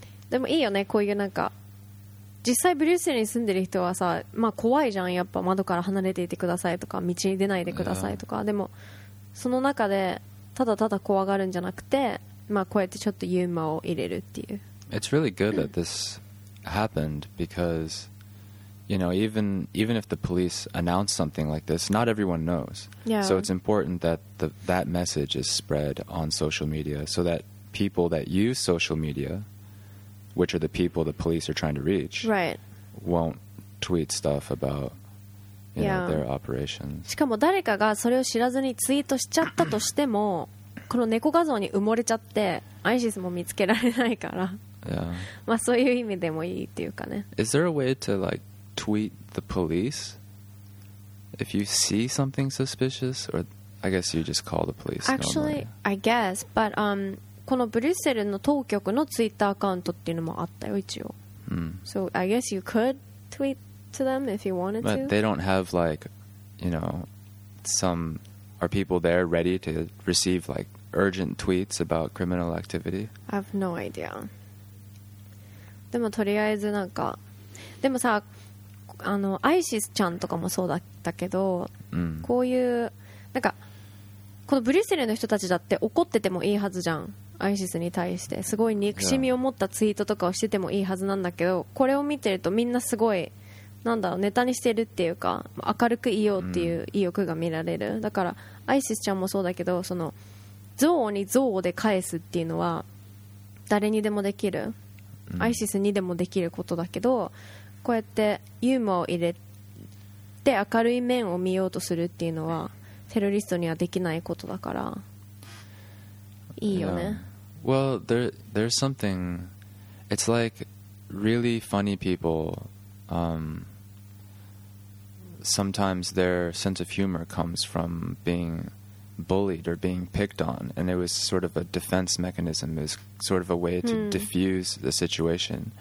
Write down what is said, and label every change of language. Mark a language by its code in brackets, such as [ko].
[ja] でもいいよね、こういうなんか、実際ブリュッセルに住んでる人はさ、まあ怖いじゃん、やっぱ窓から離れていてくださいとか、道に出ないでくださいとか、でも、その中で、ただただ怖がるんじゃなくて、まあこうやってちょっとユーモアを入れるっていう。 [en] It's really good that this happened because, you know, even if the police announce something like this, not everyone knows. Yeah. So it's important that that message is spread on social media so that people that use social media, which are the people the police are trying to reach, right. won't tweet stuff about, you know, their operations. [ja] しかも誰かがそれを知らずにツイートしちゃったとしても、この猫画像に埋もれちゃって、ISISも見つけられないから。 [en] Yeah. [ja] まあそういう意味でもいいっていうかね。 [en] Is there a way to like tweet the police if you see something suspicious, or I guess you just call the police? Actually,、 normally. I guess, but [ja] このブリュッセルの当局のツイッターアカウントっていうのもあったよ一応。 [en] So I guess you could tweet to them if you wanted but But they don't have like, you know, some are people there ready to receive like urgent tweets about criminal activity? I have no idea. [ja] でもとりあえずなんか、でもさ、アイシスちゃんとかもそうだったけど、こういうなんかこのブリュッセルの人たちだって怒っててもいいはずじゃん、アイシスに対してすごい憎しみを持ったツイートとかをしててもいいはずなんだけど、これを見てるとみんなすごいなんだろう、ネタにしてるっていうか、明るくいようっていう意欲が見られる。だからアイシスちゃんもそうだけど、その憎悪に憎悪で返すっていうのは誰にでもできる、アイシスにでもできることだけど、こうやってユーモアを入れて明るい面を見ようとするっていうのはテロリストにはできないことだからいいよね。 [en] Well, there's something. It's like really funny people, sometimes their sense of humor comes from beingbullied or being picked on, and it was sort of a defense mechanism, is sort of a way to diffuse the situation.